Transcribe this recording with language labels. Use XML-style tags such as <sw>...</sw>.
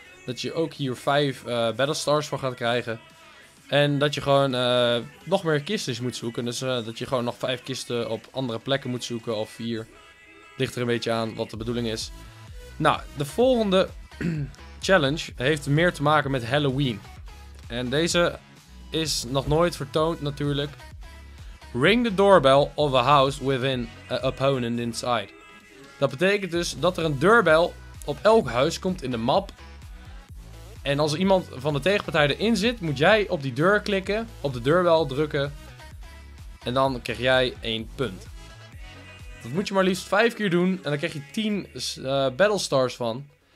<nl>Dat je ook hier 5 battle stars voor gaat krijgen. En dat je gewoon nog meer kisten moet zoeken. Dus dat je gewoon nog 5 kisten op andere plekken moet zoeken. Of 4. Ligt er een beetje aan wat de bedoeling is. Nou, de volgende challenge heeft meer te maken met Halloween. En deze is nog nooit vertoond natuurlijk.</nl> <en>Ring the doorbell of a house within an opponent inside.</en> <nl>Dat betekent dus dat er een deurbel op elk huis komt in de map. En als iemand van de tegenpartij erin zit, moet jij op die deur klikken. Op de deurbel drukken. En dan krijg jij 1 punt. Dat moet je maar liefst 5 keer doen en dan krijg je 10 battlestars van.</nl>